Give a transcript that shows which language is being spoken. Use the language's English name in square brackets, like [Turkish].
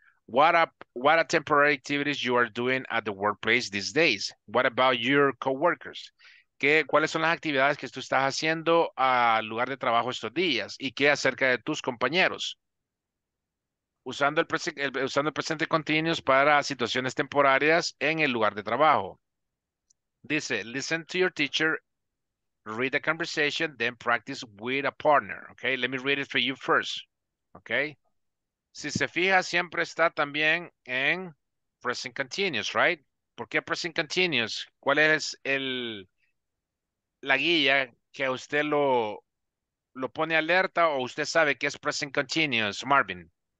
[English] What are temporary activities you are doing at the workplace these days? What about your coworkers? [Spanish] ¿Cuáles son las actividades que tú estás haciendo al lugar de trabajo estos días? ¿Y qué acerca de tus compañeros? Usando el presente continuous para situaciones temporarias en el lugar de trabajo. [English] Dice, listen to your teacher, read the conversation, then practice with a partner. Okay, let me read it for you first. [Spanish] Okay, si se fija, siempre está también en present continuous, right? ¿Por qué present continuous? ¿Cuál es la guía que usted lo pone alerta o usted sabe que es present continuous, Marvin?